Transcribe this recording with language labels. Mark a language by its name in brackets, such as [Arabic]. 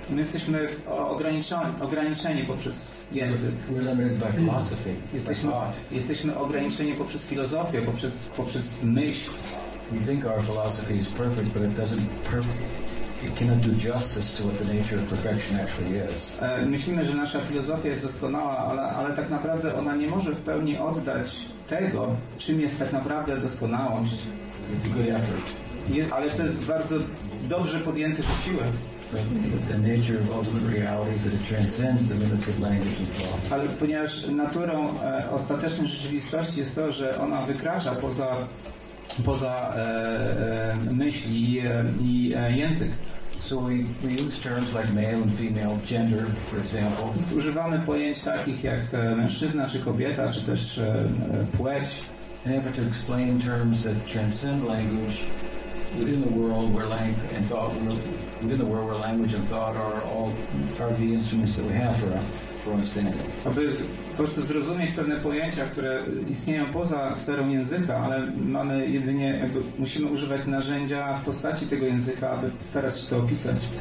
[Polish] My jesteśmy ograniczeni poprzez język. [English] We're limited by philosophy. [Polish] Jesteśmy ograniczeni poprzez filozofię, poprzez myśl. [English] We think our philosophy is perfect, but it doesn't cannot do justice to what the nature of perfection actually is. [Polish] Myślimy, że nasza filozofia jest doskonała, ale tak naprawdę ona nie może w pełni oddać tego, czym jest tak naprawdę doskonałość. [English] It's a good effort. [Polish] Ale to jest bardzo dobrze podjęty wysiłek. [English] The nature of ultimate reality is that it transcends the limits of language and thought. [Polish] Ale ponieważ naturą ostatecznej rzeczywistości jest to, że ona wykracza poza myśl i język. [English] So we use terms like male and female, gender, for example. [Polish] Używamy pojęć takich jak mężczyzna czy kobieta, czy też płeć. [English] In order to explain terms that transcend language within the world where language and thought really within the world where language and thought are all part of the instruments that we have for understanding. [Polish] Aby po prostu zrozumieć pewne pojęcia, które istnieją poza sferą języka, ale mamy jedynie, jakby musimy używać narzędzia w postaci tego języka, aby starać się to opisać.